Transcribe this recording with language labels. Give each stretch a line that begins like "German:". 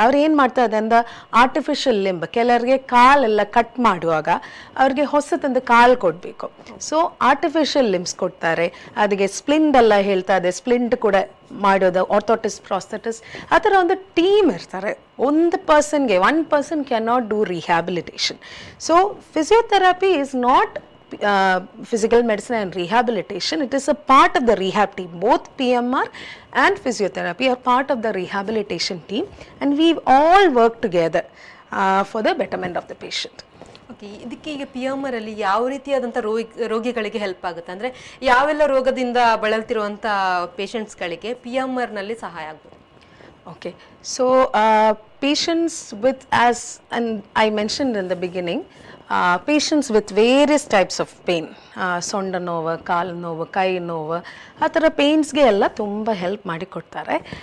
Kannada: ಅವ್ರು ಏನು ಮಾಡ್ತಾ ಇದೆ ಅಂದ ಆರ್ಟಿಫಿಷಿಯಲ್ ಲಿಂಬ್, ಕೆಲವರಿಗೆ ಕಾಲೆಲ್ಲ ಕಟ್ ಮಾಡುವಾಗ ಅವ್ರಿಗೆ ಹೊಸತಂದು ಕಾಲು ಕೊಡಬೇಕು. ಸೊ ಆರ್ಟಿಫಿಷಿಯಲ್ ಲಿಂಬ್ಸ್ ಕೊಡ್ತಾರೆ, ಅದಕ್ಕೆ ಸ್ಪ್ಲಿಂಟ್ ಎಲ್ಲ ಹೇಳ್ತಾ ಇದೆ, ಸ್ಪ್ಲಿಂಟ್ ಕೂಡ ಮಾಡೋದು, ಆರ್ಥೋಟಿಸ್ಟ್ ಪ್ರಾಸ್ಥೆಟಿಸ್ಟ್. ಆ ಥರ ಒಂದು ಟೀಮ್ ಇರ್ತಾರೆ, ಒಂದು ಪರ್ಸನ್ಗೆ,
English: One person can not do rehabilitation. So physiotherapy is not physical medicine and rehabilitation, it is a part of the rehab team. Both PMR and physiotherapy are part of the rehabilitation team, and we all work together for the betterment of the patient.
Kannada: ಹಾಕಿ ಇದಕ್ಕೆ ಈಗ P M R ಅಲ್ಲಿ ಯಾವ ರೀತಿಯಾದಂಥ ರೋಗಿಗಳಿಗೆ help ಆಗುತ್ತೆ, ಅಂದರೆ ಯಾವೆಲ್ಲ ರೋಗದಿಂದ ಬಳಲ್ತಿರುವಂಥ ಪೇಷಂಟ್ಸ್ಗಳಿಗೆ ಪಿ ಎಂ ಆರ್ನಲ್ಲಿ ಸಹಾಯ ಆಗ್ಬೋದು?
English: okay, so patients with as and I mention in the beginning, patients with various types of pain,
Kannada: ಸೊಂಡ ನೋವು, ಕಾಲು ನೋವು, ಕೈ ನೋವು, ಆ ಥರ ಪೇನ್ಸ್ಗೆ ಎಲ್ಲ ತುಂಬ ಹೆಲ್ಪ್ ಮಾಡಿಕೊಡ್ತಾರೆ.